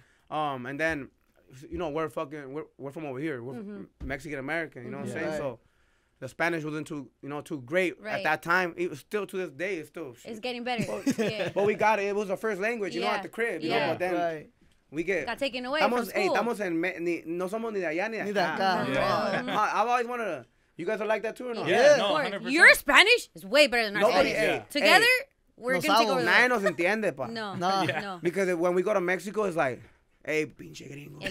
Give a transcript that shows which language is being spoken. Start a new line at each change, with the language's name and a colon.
English: And then, you know, we're from over here. We're Mexican American, you know what I'm saying? So the Spanish wasn't too, you know, too great at that time. It was still to this day. It's getting better. But we got it. It was our first language, you know, at the crib. You know, but then we get got taken away from school.
Spanish: No somos ni de allá ni de acá.
English: I've always wanted to. You guys are like that too, or no? Yeah, no, 100%. Your Spanish is way better than our Spanish. Together, we're gonna take over.
Spanish: Nadie nos entiende, pa.
English: No. Because when we go to Mexico, it's like, hey,
Spanish: pinche gringo.